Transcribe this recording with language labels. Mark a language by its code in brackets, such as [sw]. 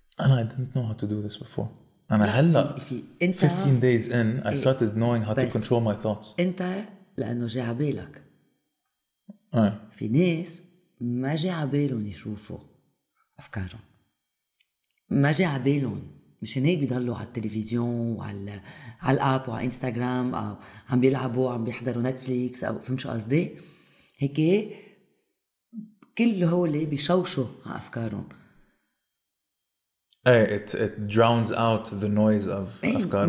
[en] and I didn't know how to do this before [ar] أنا هلا في [en] 15 days in I إيه. started knowing how to control my thoughts [ar] انت لأنه جاي عبالك اي في ناس ما جاي عبالهم يشوفوا أفكارهم ما جاي عبالهم مش هناك بيضلوا على التلفزيون وعلى على الأب وعلى إنستغرام أو عم بيلعبوا عم بيحضروا نتفليكس أو فهم شو قصدي هيك كل هو اللي بيشوشو أفكارهم. [en] إيه it drowns out the noise of أفكارهم.